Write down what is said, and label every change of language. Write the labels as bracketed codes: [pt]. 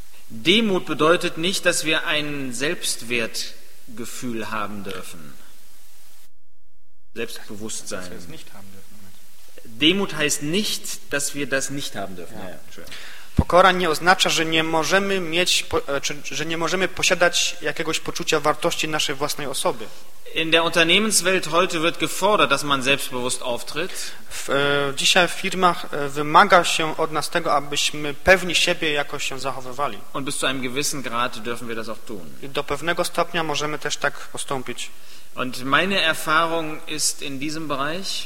[de] Demut bedeutet nicht, dass wir ein Selbstwertgefühl haben dürfen. Selbstbewusstsein. Dass wir es nicht haben dürfen. Demut heißt nicht, dass wir das nicht haben dürfen. Ja. [pl] Pokora nie oznacza, że nie możemy mieć, że nie możemy posiadać jakiegoś poczucia wartości naszej własnej osoby. [de] In der Unternehmenswelt heute wird gefordert, dass man selbstbewusst auftritt. [pl] Dzisiaj w firmach wymaga się od nas tego, abyśmy pewni siebie jakoś się zachowywali. [de] Und bis zu einem gewissen Grad dürfen wir das auch tun. [pl] I do pewnego stopnia możemy też tak postąpić. [de] Und meine Erfahrung ist in diesem Bereich.